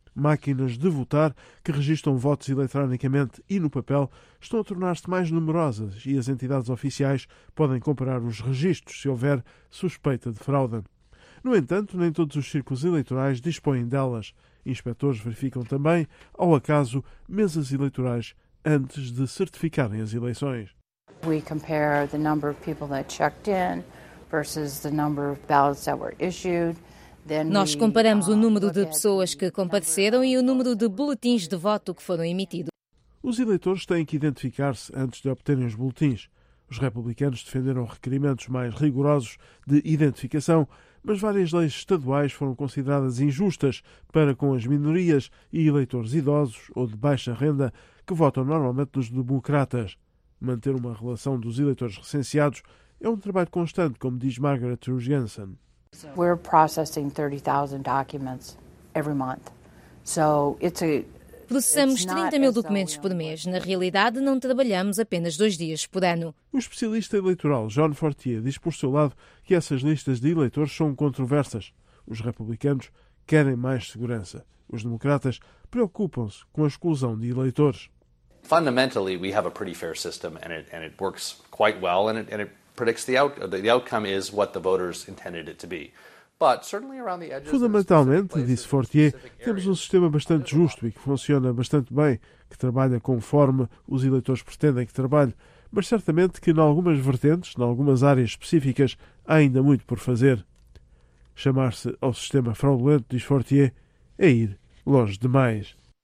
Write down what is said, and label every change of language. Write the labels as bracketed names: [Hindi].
[Portuguese] Máquinas de votar que registram votos eletronicamente e no papel estão a tornar-se mais numerosas e as entidades oficiais podem comparar os registros se houver suspeita de fraude. No entanto, nem todos os círculos eleitorais dispõem delas. Inspetores verificam também, ao acaso, mesas eleitorais antes de certificarem as eleições. [English] We compare the number of people that checked in versus the number of ballots that were issued. [Portuguese] Nós comparamos o número de pessoas que compareceram e o número de boletins de voto que foram emitidos. Os eleitores têm que identificar-se antes de obterem os boletins. Os republicanos defenderam requerimentos mais rigorosos de identificação, mas várias leis estaduais foram consideradas injustas para com as minorias e eleitores idosos ou de baixa renda que votam normalmente nos democratas. Manter uma relação dos eleitores recenseados é um trabalho constante, como diz Margaret Jurgensen. [English] We're processing 30,000 documents every month. So it's a... [Portuguese] Processamos 30 mil documentos por mês. Na realidade, não trabalhamos apenas dois dias por ano. O especialista eleitoral John Fortier diz, por seu lado, que essas listas de eleitores são controversas. Os republicanos querem mais segurança. Os democratas preocupam-se com a exclusão de eleitores. [English] Fundamentally, we have a pretty fair system and it works quite well and it predicts the outcome is what the voters intended it to be. [Portuguese] Fundamentalmente, disse Fortier, temos um sistema bastante justo e que funciona bastante bem, que trabalha conforme os eleitores pretendem que trabalhe, mas certamente que em algumas vertentes, em algumas áreas específicas, há ainda muito por fazer. Chamar-se ao sistema fraudulento, diz Fortier, é ir longe demais.